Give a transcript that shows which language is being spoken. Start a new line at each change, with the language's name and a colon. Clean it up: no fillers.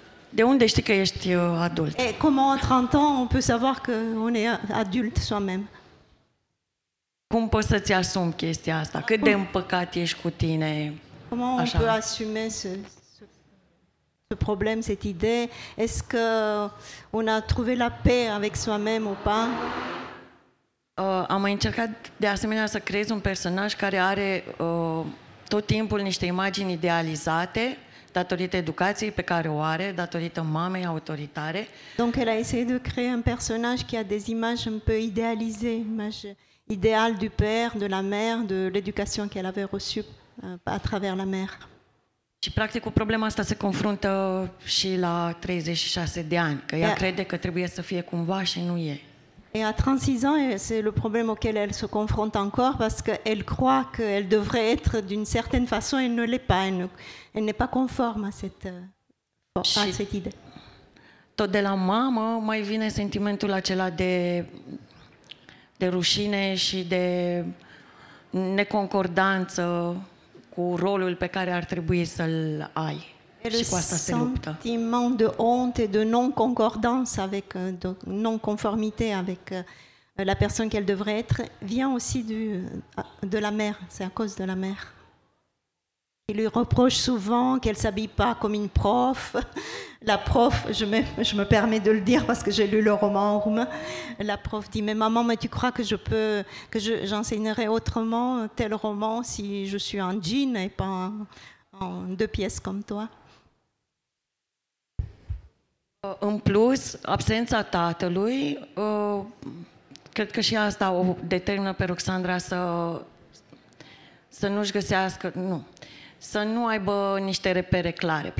Romanian: De unde știi că ești adult?
French: Et comment à 30 ans on peut savoir qu'on est adulte soi-même?
Romanian: Cum poți să-ți asumi chestia asta? Cât de împăcat ești cu tine?
French: Comment on peut assumer ce problème, cette idée? Est-ce que on a trouvé la paix avec soi-même ou pas?
Romanian: Am încercat de asemenea să creez un personaj care are tot timpul niște imagini idealizate datorită educației pe care o are, datorită mamei autoritare.
French: Donc elle a essayé de créer un personnage qui a des images un peu idéalisées, images idéal du père, de la mère, de l'éducation qu'elle avait reçue à travers la mère.
Romanian: Și practic cu problema asta se confruntă și la 36 de ani, că ea crede că trebuie să fie cumva și nu e.
French: Et à 36 ans, c'est le problème auquel elle se confronte encore parce qu'elle croit qu'elle devrait être d'une certaine façon et ne l'est pas. Elle n'est pas conforme à cette idée.
Romanian: Tot de la mamă mai vine sentimentul acela de rușine și de neconcordanță cu rolul pe care ar trebui să-l ai.
French: Sentiment de honte et de non-concordance avec de non-conformité avec la personne qu'elle devrait être vient aussi de la mère, c'est à cause de la mère. Il lui reproche souvent qu'elle s'habille pas comme une prof. La prof, je me permets de le dire parce que j'ai lu le roman en roumain. La prof dit: "Mais maman, mais tu crois que je peux que je j'enseignerai autrement tel roman si je suis en jean et pas en deux pièces comme toi?"
Romanian: În plus, absența tatălui, cred că și asta o determină pe Roxandra să nu-și găsească, să nu aibă niște repere clare.